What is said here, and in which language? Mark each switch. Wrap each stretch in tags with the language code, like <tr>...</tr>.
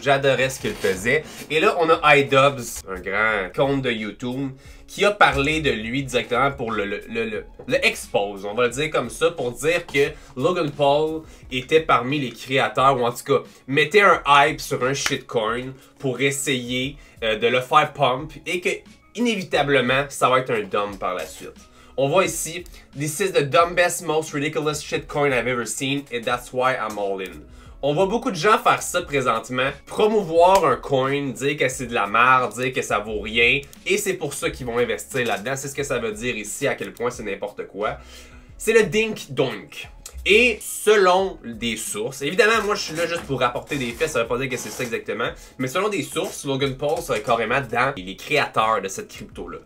<fr>J'adorais ce qu'il faisait. Et là, on a iDubbbz, un grand compte de YouTube, qui a parlé de lui directement pour le expose, on va le dire comme ça, pour dire que Logan Paul était parmi les créateurs, ou en tout cas, mettait un hype sur un shitcoin pour essayer de le faire pump et que... inévitablement, ça va être un dump par la suite. On voit ici,</fr> <en>this is the dumbest, most ridiculous shitcoin I've ever seen, and that's why I'm all in.</en> <fr>On voit beaucoup de gens faire ça présentement, promouvoir un coin, dire que c'est de la merde, dire que ça vaut rien, et c'est pour ça qu'ils vont investir là-dedans. C'est ce que ça veut dire ici, à quel point c'est n'importe quoi. C'est le dink donk. Et selon des sources, évidemment, moi, je suis là juste pour rapporter des faits, ça veut pas dire que c'est ça exactement, mais selon des sources, Logan Paul serait carrément dans les créateurs de cette crypto-là.</fr>